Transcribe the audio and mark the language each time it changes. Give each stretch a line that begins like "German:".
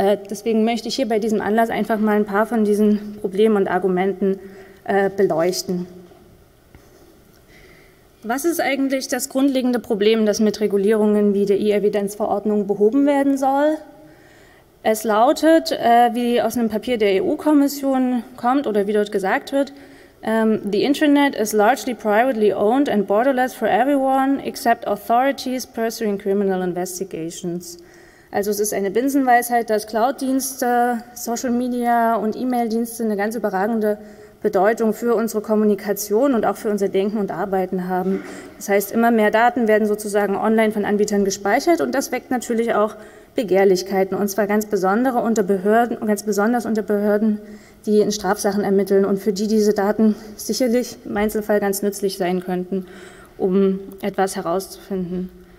German: Deswegen möchte ich hier bei diesem Anlass einfach mal ein paar von diesen Problemen und Argumenten beleuchten. Was ist eigentlich das grundlegende Problem, das mit Regulierungen wie der E-Evidenz-Verordnung behoben werden soll? Es lautet, wie aus einem Papier der EU-Kommission kommt oder wie dort gesagt wird,
English: The internet is largely privately owned and borderless for everyone except authorities pursuing criminal investigations.
German: Also es ist eine Binsenweisheit, dass Cloud-Dienste, Social Media und E-Mail-Dienste eine ganz überragende Bedeutung für unsere Kommunikation und auch für unser Denken und Arbeiten haben. Das heißt, immer mehr Daten werden sozusagen online von Anbietern gespeichert und das weckt natürlich auch Begehrlichkeiten, und zwar ganz besonders unter Behörden, die in Strafsachen ermitteln und für die diese Daten sicherlich im Einzelfall ganz nützlich sein könnten, um etwas herauszufinden.